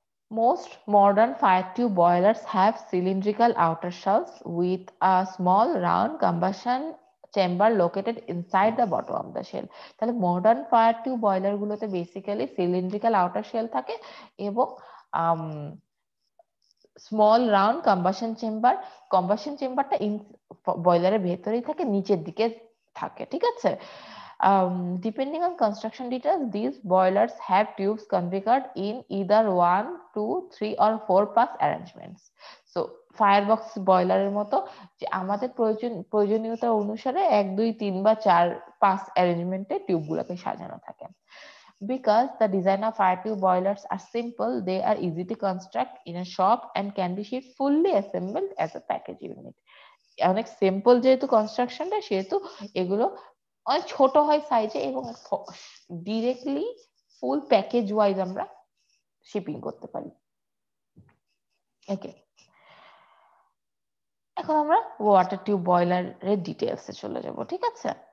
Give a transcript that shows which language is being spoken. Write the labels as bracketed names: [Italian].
[English] Most modern fire tube boilers have cylindrical outer shells with a small round combustion chamber located inside the bottom of the shell. [Bangla] তাহলে modern fire tube boiler গুলোতে basically cylindrical outer shell থাকে এবং small round combustion chamber, combustion চেম্বারটা বয়লারের ভেতরেই থাকে, নিচের দিকে থাকে, ঠিক আছে। [English] Depending on construction details this boilers have tubes configured in either 1, 2, 3, or 4 pass arrangements. [Bangla] So firebox বয়লারের মতো যে আমাদের প্রয়োজনীয়তা অনুসারে 1, 2, 3, বা 4 pass অ্যারেঞ্জমেন্টে টিউবগুলোকে সাজানো থাকে। [English] Because the design of fire tube boilers are simple, they are easy to construct in a shop and can be shipped fully assembled as a package unit. [Bangla] অনেক simple যেহেতু কনস্ট্রাকশনটা, সেহেতু এগুলো অনেক ছোট হয় সাইজে এবং ডিরেক্টলি ফুল প্যাকেজ ওয়াইজ আমরা শিপিং করতে পারি। ওকে, এখন আমরা ওয়াটার টিউব বয়লার এর ডিটেলসে চলে যাব, ঠিক আছে।